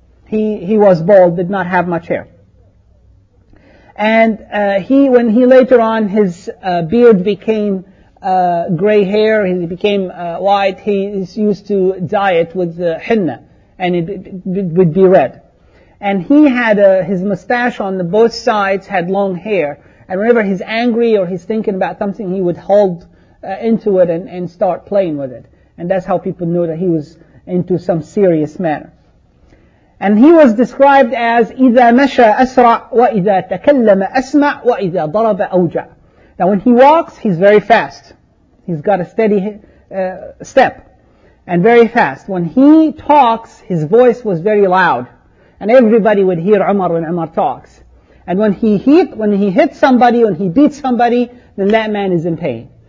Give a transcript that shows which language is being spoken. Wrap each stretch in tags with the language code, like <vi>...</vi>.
<en>He was bald, did not have much hair. And when he later on, his beard became gray hair, he became white, he used to dye it with henna, and it would be red. And he had his mustache on the both sides, had long hair. And whenever he's angry or he's thinking about something, he would hold into it and start playing with it. And that's how people knew that he was into some serious matter. And he was described as</en> <ar>إذا مشى أسرع وإذا تكلم أسمع وإذا ضرب أوجع.</ar> <en>Now when he walks, he's very fast. He's got a steady step and very fast. When he talks, his voice was very loud. And everybody would hear Umar when Umar talks. And when he hits somebody, when he beats somebody, then that man is in pain.</en>